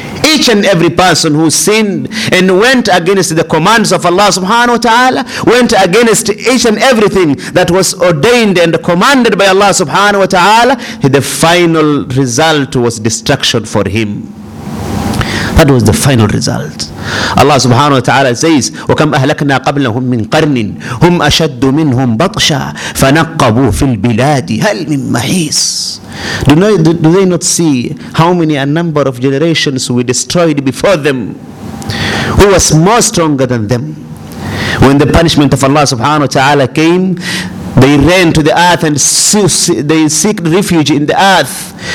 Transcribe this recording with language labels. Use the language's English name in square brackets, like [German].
[English] Each and every person who sinned and went against the commands of Allah subhanahu wa ta'ala, went against each and everything that was ordained and commanded by Allah subhanahu wa ta'ala, the final result was destruction for him. That was the final result. [Arabic] Allah subhanahu wa ta'ala says, وَكَمْ أَهْلَكْنَا قَبْلَهُمْ مِنْ قَرْنٍ هُمْ أَشَدُّ مِنْهُمْ بَطْشًا فَنَقَّبُوا فِي الْبِلَادِ هَلْ مِنْ مَحِيسٍ. [English] Do they not see how many a number of generations we destroyed before them? Who was more stronger than them? When the punishment of Allah subhanahu wa ta'ala came, they ran to the earth and they seek refuge in the earth.